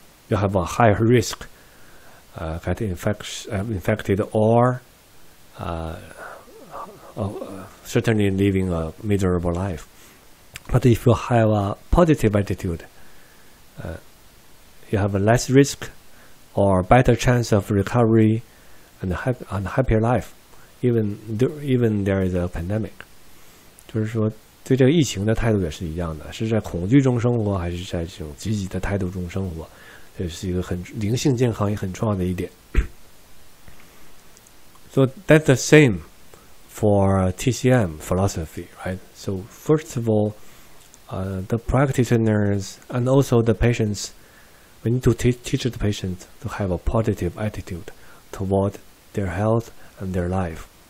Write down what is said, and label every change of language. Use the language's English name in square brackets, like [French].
[English] You have a higher risk get infected or certainly living a miserable life. But if you have a positive attitude,you have a less risk or better chance of recovery and a happier life, even there is a pandemic. [Chinese] 就是说对这个疫情的态度也是一样的，是在恐惧中生活还是在这种积极的态度中生活，这是一个很灵性健康也很重要的一点。 [English] So that's the same for TCM philosophy, right? So first of all,the practitioners and also the patients, we need to teach the patient to have a positive attitude toward their health and their life.